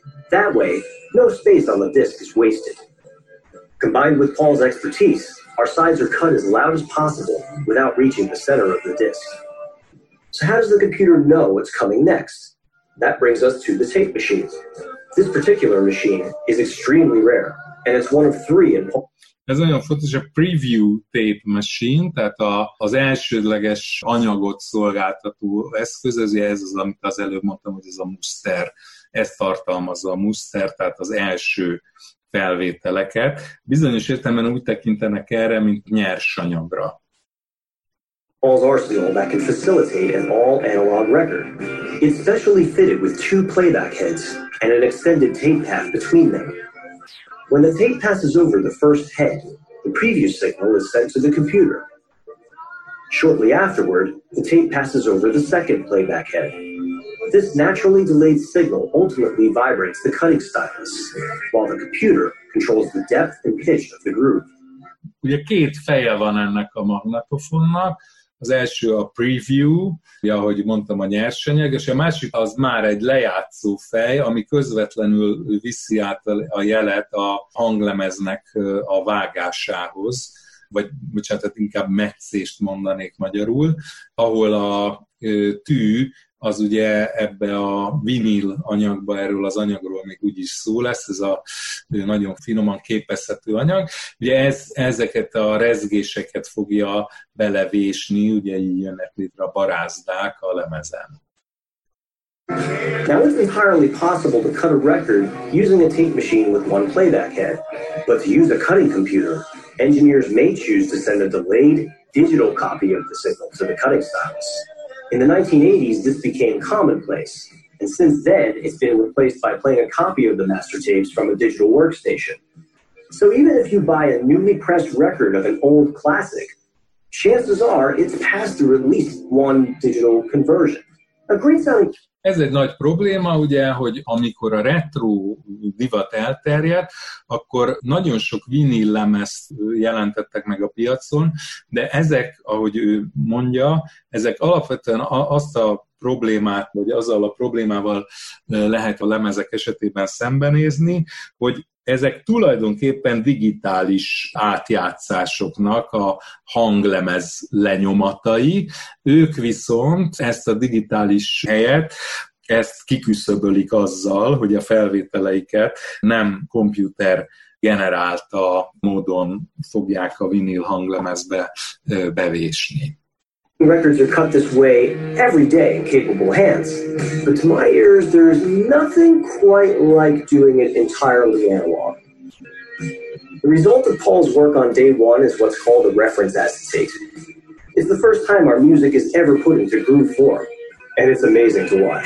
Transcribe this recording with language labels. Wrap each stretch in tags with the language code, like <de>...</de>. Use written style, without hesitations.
<en>That way, no space on the disc is wasted. Combined with Paul's expertise, our sides are cut as loud as possible without reaching the center of the disc. So how does the computer know what's coming next? That brings us to the tape machine. This particular machine is extremely rare. And it's one of three in Paul.</en> <hu>Ez nagyon fontos, a</hu> <en>preview tape machine,</en> <hu>tehát az elsődleges anyagot szolgáltató eszköz, ez az, amit az előbb mondtam, hogy ez a muster, ez tartalmazza a muster, tehát az első felvételeket. Bizonyos értelemben úgy tekintenek erre, mint nyersanyagra.</hu> <en>Paul's arsenal that can facilitate an all-analog record. It's specially fitted with two playback heads and an extended tape path between them. When the tape passes over the first head, the preview signal is sent to the computer. Shortly afterward, the tape passes over the second playback head. This naturally delayed signal ultimately vibrates the cutting stylus, while the computer controls the depth and pitch of the groove.</en> <hu>Ugye két feje van ennek a magnetofonnak. Az első a preview, ahogy mondtam, a nyersanyag, és a másik az már egy lejátszó fej, ami közvetlenül viszi át a jelet a hanglemeznek a vágásához, vagy bocsánat, inkább metszést mondanék magyarul, ahol a tű az ugye ebbe a vinil anyagba, erről az anyagról még úgy is szó lesz, ez a nagyon finoman képezhető anyag, ugye ezeket a rezgéseket fogja belevésni, ugye így jönnek létre a barázdák a lemezen.</hu> <en>Now it's entirely possible to cut a record using a tape machine with one playback head, but to use a cutting computer, engineers may choose to send a delayed digital copy of the signal to the cutting stylus. In the 1980s, this became commonplace, and since then, it's been replaced by playing a copy of the master tapes from a digital workstation. So even if you buy a newly pressed record of an old classic, chances are it's passed through at least one digital conversion. A great sounding.</en> <hu>Ez egy nagy probléma, ugye, hogy amikor a retro divat elterjedt, akkor nagyon sok vinil lemezt jelentettek meg a piacon, de ezek, ahogy ő mondja, ezek alapvetően azt a problémát, vagy azzal a problémával lehet a lemezek esetében szembenézni, hogy ezek tulajdonképpen digitális átjátszásoknak a hanglemez lenyomatai, ők viszont ezt a digitális helyet, ezt kiküszöbölik azzal, hogy a felvételeiket nem komputer generálta módon fogják a vinil hanglemezbe bevésni.</hu> <en>Records are cut this way every day in capable hands. But to my ears, there's nothing quite like doing it entirely analog. The result of Paul's work on day one is what's called a reference acetate. It's the first time our music is ever put into groove form, and it's amazing to watch.</en>